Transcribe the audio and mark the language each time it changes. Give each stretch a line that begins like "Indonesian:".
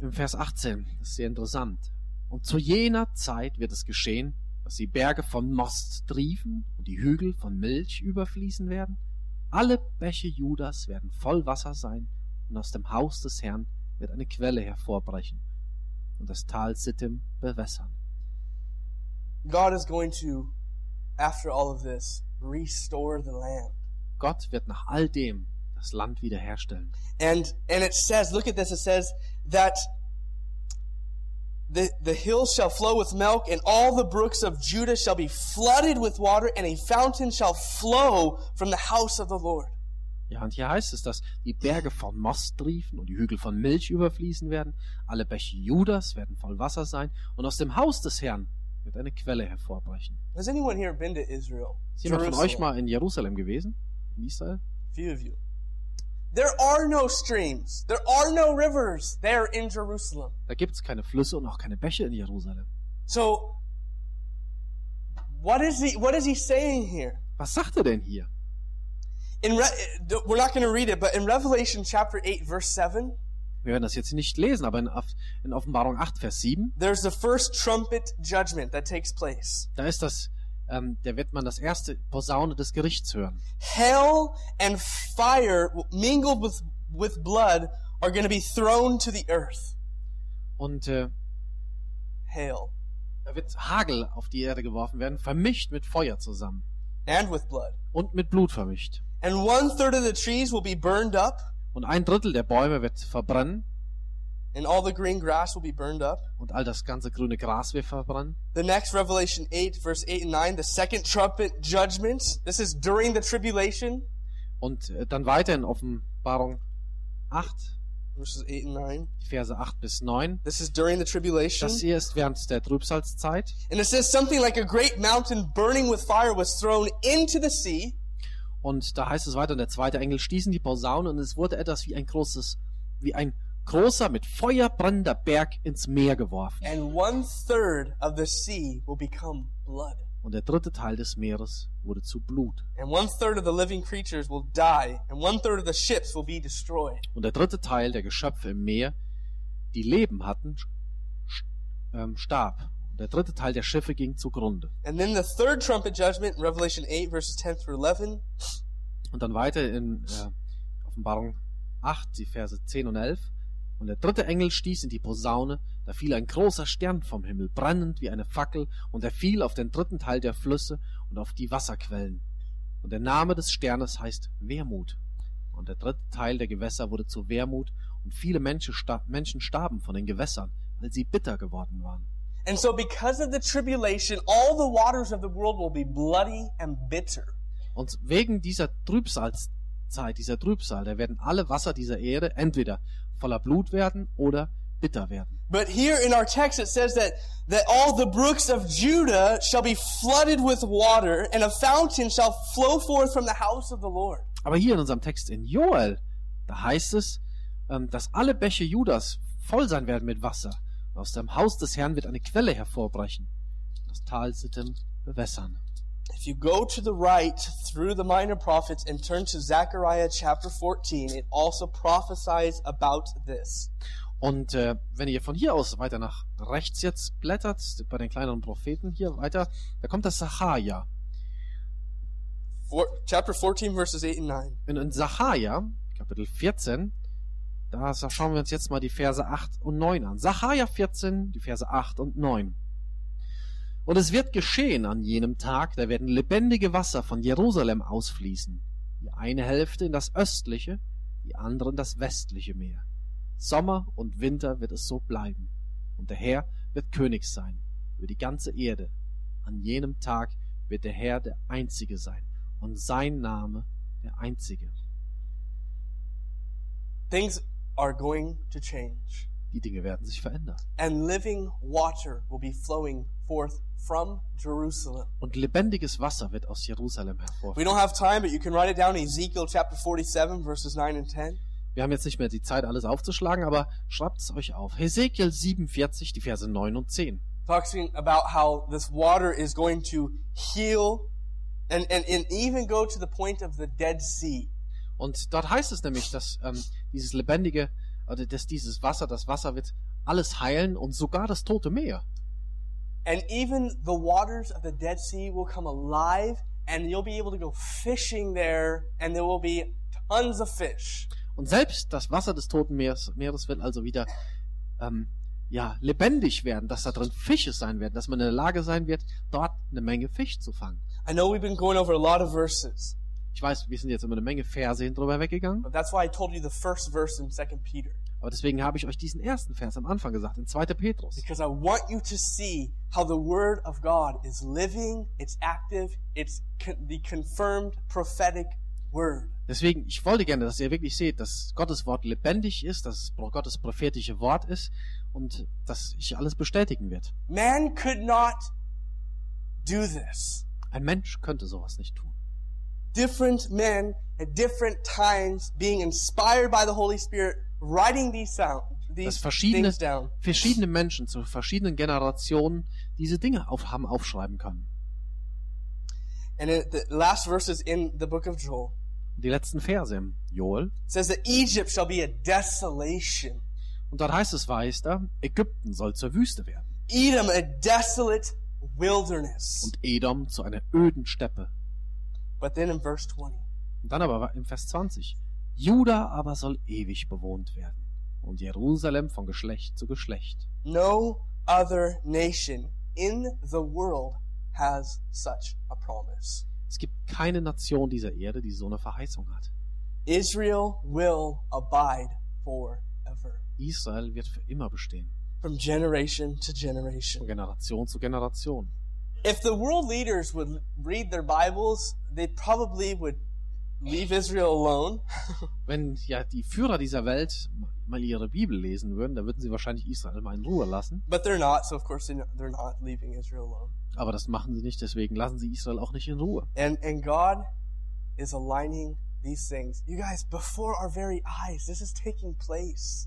German: Im Vers 18, das ist sehr interessant. Und zu jener Zeit wird es geschehen, dass die Berge von Most triefen und die Hügel von Milch überfließen werden. Alle Bäche Judas werden voll Wasser sein und aus dem Haus des Herrn wird eine Quelle hervorbrechen und das Tal Sittim bewässern.
English: God is going to, after all of this, restore the land.
German: Gott wird nach all dem das Land wiederherstellen.
English: And it says, look at this, it says that the hills shall flow with milk and all the brooks of Judah shall be flooded with water and a fountain shall flow from the house of the Lord.
German: Ja, und hier heißt es, dass die Berge von Most triefen und die Hügel von Milch überfließen werden. Alle Bäche Judas werden voll Wasser sein und aus dem Haus des Herrn wird eine Quelle hervorbrechen.
English: Has anyone here been to Israel?
German: Ist jemand von euch mal in Jerusalem gewesen? In Israel?
English: Few of you. There are no streams. There are no rivers there in Jerusalem.
German: Da gibt's keine Flüsse und auch keine Bäche in Jerusalem.
English: So, what is he saying here?
German: Was sagt er denn hier?
English: We're not going to read it, but in Revelation chapter 8, verse 7.
German: Wir werden das jetzt nicht lesen, aber in Offenbarung 8, Vers 7,
English: there's the first trumpet judgment that takes place.
German: Da ist das da wird man das erste Posaune des Gerichts hören.
English: Hell and fire mingled with blood are going to be thrown to the earth.
German: Und
English: hail.
German: Da wird Hagel auf die Erde geworfen werden, vermischt mit Feuer zusammen.
English: And with blood.
German: Und mit Blut vermischt.
English: And one third of the trees will be burned up.
German: Und ein Drittel der Bäume wird verbrennen.
English: And all the green grass will be burned up.
German: Und all das ganze grüne Gras wird verbrannt.
English: The next Revelation 8, verse 8 and 9, the second trumpet judgment. This is during the tribulation.
German: Und dann weiter in Offenbarung 8,
English: verses 8 and 9.
German: Verse 8 bis 9.
English: This is during the tribulation.
German: Das hier ist während der Trübsalzeit.
English: And it says something like a great mountain burning with fire was thrown into the sea.
German: Und da heißt es weiter, und der zweite Engel stießen die Posaune und es wurde etwas wie ein großes, wie ein großer mit Feuer brennender Berg ins Meer geworfen.
English: And one third of the sea will become blood.
German: Und der dritte Teil des Meeres wurde zu Blut.
English: And one third of the living creatures will die, and one third of the ships will be destroyed.
German: Und der dritte Teil der Geschöpfe im Meer, die Leben hatten, starb. Und der dritte Teil der Schiffe ging zugrunde.
English: And then the third trumpet judgment in Revelation 8 verses 10 through 11.
German: Und dann weiter in Offenbarung 8, die Verse 10 und 11. Und der dritte Engel stieß in die Posaune, da fiel ein großer Stern vom Himmel, brennend wie eine Fackel, und er fiel auf den dritten Teil der Flüsse und auf die Wasserquellen. Und der Name des Sternes heißt Wermut. Und der dritte Teil der Gewässer wurde zu Wermut, und viele Menschen starben von den Gewässern, weil sie bitter geworden waren.
English: And so because of the tribulation, all the waters of the world will be bloody and bitter.
German: Und wegen dieser Trübsalzeit, dieser Trübsal, da werden alle Wasser dieser Erde entweder voller Blut werden oder bitter werden.
English: But here in our text it says that all the brooks of Judah shall be flooded with water and a fountain shall flow forth from the house of the Lord.
German: Aber hier in unserem Text in Joel, da heißt es, dass alle Bäche Judas voll sein werden mit Wasser. Aus dem Haus des Herrn wird eine Quelle hervorbrechen. Das Tal Sittim bewässern.
English: If you go to the right through the minor prophets and turn to Zechariah chapter 14, it also prophesies about this.
German: Und wenn ihr von hier aus weiter nach rechts jetzt blättert, bei den kleineren Propheten hier weiter, da kommt das Zechariah.
English: Chapter 14, verses 8 and 9.
German: In Zechariah, Kapitel 14, da schauen wir uns jetzt mal die Verse 8 und 9 an. Zechariah 14, die Verse 8 und 9. Und es wird geschehen an jenem Tag, da werden lebendige Wasser von Jerusalem ausfließen, die eine Hälfte in das östliche, die andere in das westliche Meer. Sommer und Winter wird es so bleiben, und der Herr wird König sein über die ganze Erde. An jenem Tag wird der Herr der Einzige sein und sein Name der Einzige.
English: Things are going to change.
German: Die Dinge werden sich verändern.
English: And living water will be flowing forth from Jerusalem.
German: Und lebendiges Wasser wird aus Jerusalem hervorfließen.
English: We don't have time, but you can write it down, Ezekiel chapter 47 verses 9 and 10.
German: Wir haben jetzt nicht mehr die Zeit, alles aufzuschlagen, aber schreibt es euch auf. Ezekiel 47, die Verse 9 und 10.
English: Talking about how this water is going to heal and even go to the point of the Dead Sea.
German: Und dort heißt es nämlich, dass dieses lebendige oder dass dieses Wasser, das Wasser wird alles heilen und sogar das tote Meer.
English: And even the waters of the Dead Sea will come alive and you'll be able to go fishing there and there will be tons of fish.
German: Und selbst das Wasser des Toten Meeres wird also wieder lebendig werden, dass da drin Fische sein werden, dass man in der Lage sein wird, dort eine Menge Fisch zu fangen.
English: I know we've been going over a lot of verses.
German: Ich weiß, wir sind jetzt immer eine Menge Verse hin drüber weggegangen.
English: But that's why I told you the first verse in 2 Peter.
German: Aber deswegen habe ich euch diesen ersten Vers am Anfang gesagt, in 2. Petrus.
English: Because I want you to see how the word of God is living, it's active, it's the confirmed prophetic word.
German: Deswegen, ich wollte gerne, dass ihr wirklich seht, dass Gottes Wort lebendig ist, dass Gottes prophetische Wort ist und dass ich alles bestätigen wird.
English: Man could not do this.
German: Ein Mensch könnte sowas nicht tun.
English: Different men at different times being inspired by the Holy Spirit writing these things down.
German: Verschiedene Menschen zu verschiedenen Generationen diese Dinge haben aufschreiben können.
English: And the last verses in the book of Joel.
German: Die letzten Verse im Joel.
English: Says that Egypt shall be a desolation.
German: Und dort heißt es weiter, Ägypten soll zur Wüste werden.
English: Edom a desolate wilderness.
German: Und Edom zu einer öden Steppe.
English: But then in verse 20.
German: Und dann aber im Vers 20. Juda aber soll ewig bewohnt werden und Jerusalem von Geschlecht zu Geschlecht.
English: No other nation in the world has such a promise.
German: Es gibt keine Nation dieser Erde, die so eine Verheißung hat.
English: Israel will abide forever.
German: Israel wird für immer bestehen.
English: From generation to generation.
German: Von Generation zu Generation.
English: If the world leaders would read their Bibles, they probably would leave Israel alone.
German: Wenn ja die Führer dieser Welt mal ihre Bibel lesen würden, dann würden sie wahrscheinlich Israel mal in Ruhe lassen.
English: But they're not, so of course they're not leaving Israel alone.
German: Aber das machen sie nicht, deswegen lassen sie Israel auch nicht in Ruhe.
English: And God is aligning these things. You guys, before our very eyes, this is taking place.